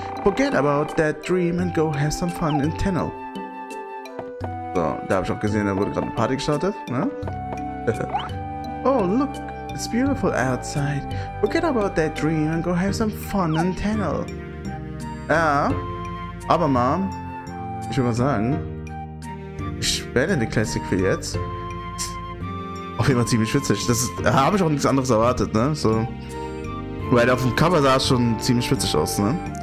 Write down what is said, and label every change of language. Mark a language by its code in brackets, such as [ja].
[en] Forget about that dream and go have some fun in Tunnel. [de] So, da habe ich auch gesehen, da wurde gerade eine Party gestartet, ne? [en] Oh, look, it's beautiful outside. Forget about that dream and go have some fun in Tunnel. [de] Ja, aber Mom, ich würde mal sagen, ich werde eine Classic für jetzt. Auf jeden Fall ziemlich witzig. Das habe ich auch nichts anderes erwartet, ne? So. Weil auf dem Cover sah es schon ziemlich witzig aus, ne?